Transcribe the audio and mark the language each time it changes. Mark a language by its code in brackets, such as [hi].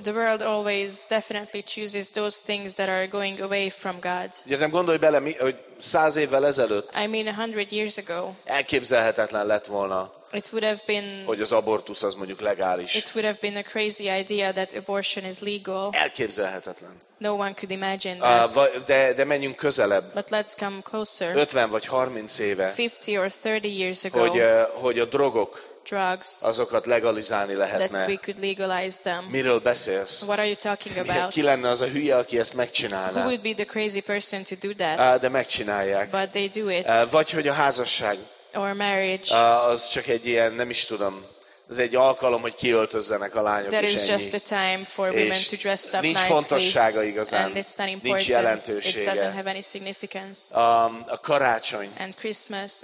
[en] The world always definitely chooses those things that are going away from God. [hu] Úgy értem, gondolj bele, hogy 100 évvel ezelőtt, [en] I mean 100 years ago, [hu] elképzelhetetlen lett volna, [en] it would have been, [hu] hogy az abortus az mondjuk legális. [en] It would have been a crazy idea that abortion is legal. [hu] Elképzelhetetlen. [en] No one could imagine that. [hu] De menjünk közelebb. [en] But let's come closer. [hu] 50 vagy 30 éve. [en] 50 or 30 years ago. [hu] Hogy a drogok. [en] Drugs. [hu] Azokat legalizálni lehetne. [en] That we could legalize them. [hu] Miről beszélsz? [en] What are you talking about? [hu] Ki lenne az a hülye, aki ezt megcsinálná? [en] Who would be the crazy person to do that? [hu] De megcsinálják. [en] But they do it. [hu] Vagy hogy a házasság. [en] Or marriage. [hu] Az csak egy ilyen, nem is tudom. Ez egy alkalom, hogy kiöltözzenek a lányok, [en] that [hu] és ennyi. [en] Just a time for women [hu] és [en] to dress up [hu] nincs fontossága igazán. [en] And it's not important. [hu] Nincs jelentősége. [en] It doesn't have any significance. [hu] A karácsony. [en] And Christmas.